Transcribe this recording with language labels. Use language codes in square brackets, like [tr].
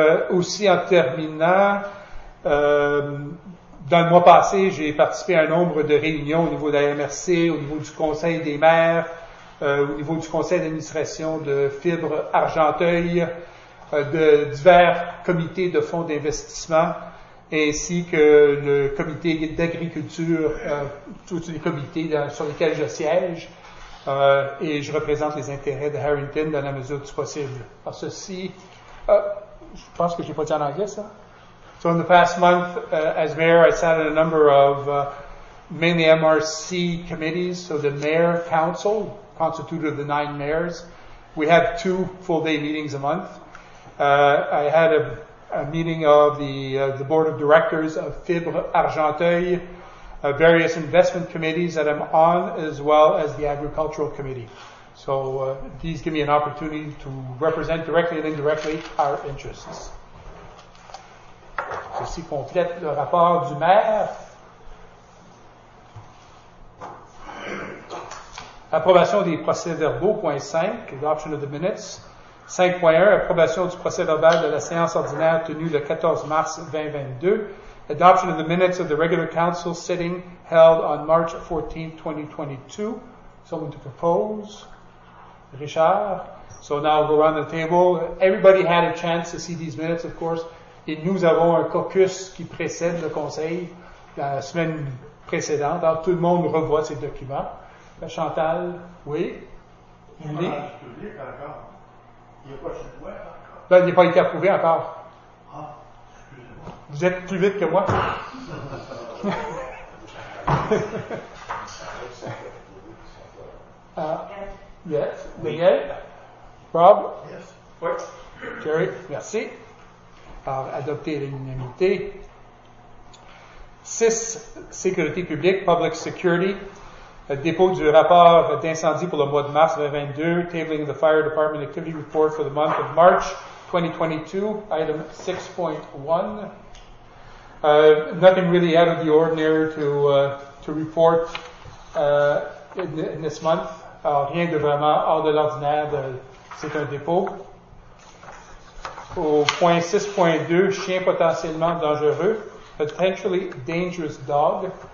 [fr] Aussi en terminant, dans le mois passé, j'ai participé à un nombre de réunions au niveau de la MRC, au niveau du conseil des maires, au niveau du conseil d'administration de Fibre Argenteuil, de divers comités de fonds d'investissement, ainsi que le comité d'agriculture, tous les comités sur lesquels je siège, et je représente les intérêts de Harrington dans la mesure du possible. Alors ceci, je pense que je n'ai pas dit en anglais ça. [en] So in the past month, as mayor, I sat on a number of mainly MRC committees, so the mayor council, constituted of the nine mayors. We have two full-day meetings a month. I had a meeting of the board of directors of Fibre Argenteuil, various investment committees that I'm on, as well as the agricultural committee. So these give me an opportunity to represent directly and indirectly our interests. [fr] Ceci complète le rapport du maire. Approbation des procès-verbaux, point 5, [en] adoption of the minutes. [fr] 5.1, approbation du procès-verbal de la séance ordinaire tenue le 14 mars 2022. [en] Adoption of the minutes of the regular council sitting held on March 14, 2022. Someone to propose? Richard? So now we'll go around the table. Everybody had a chance to see these minutes, of course. [fr] Et nous avons un caucus qui précède le conseil la semaine précédente. Alors tout le monde revoit ces documents. Chantal, oui? Il n'est pas public encore. Il n'est pas chez moi encore. Ben, il n'est pas été approuvé encore. Ah, excusez-moi. Vous êtes plus vite que moi. [en] yes. [fr] Oui. Miguel? Rob? [en] Yes. [fr] Oui. Jerry, merci. Alors, adopté à l'unanimité. [en] 6, [fr] sécurité publique, [en] public security. [fr] Dépôt du rapport d'incendie pour le mois de mars 2022, [en] tabling the fire department activity report for the month of March 2022, item 6.1. Nothing really out of the ordinary to report in this month. [fr] Alors, rien de vraiment hors de l'ordinaire, c'est un dépôt. Au point 6.2, chien potentiellement dangereux, [en] potentially dangerous dog.